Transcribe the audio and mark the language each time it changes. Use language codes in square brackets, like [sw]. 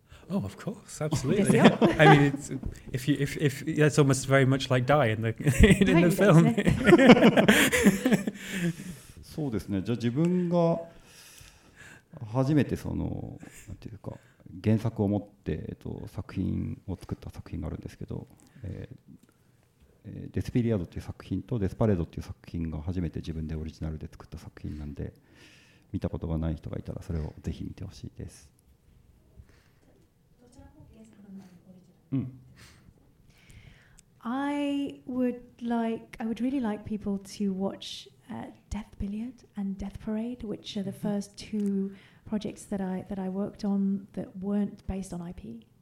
[en] Oh, of course, absolutely. I mean, it's, if that's almost very much like die in the film. [ja] そうですね。じゃあ自分が初めてそのなんていうか原作を持って作品を作った作品があるんですけど。デスピリアドという作品とデスパレードという作品が初めて自分でオリジナルで作った作品なんで見たことがない人がいたらそれをぜひ見てほしいです。 [en] うん、I would really like people to watch Death Billiard and Death Parade, which are the first two projects that I worked on that weren't based on IP.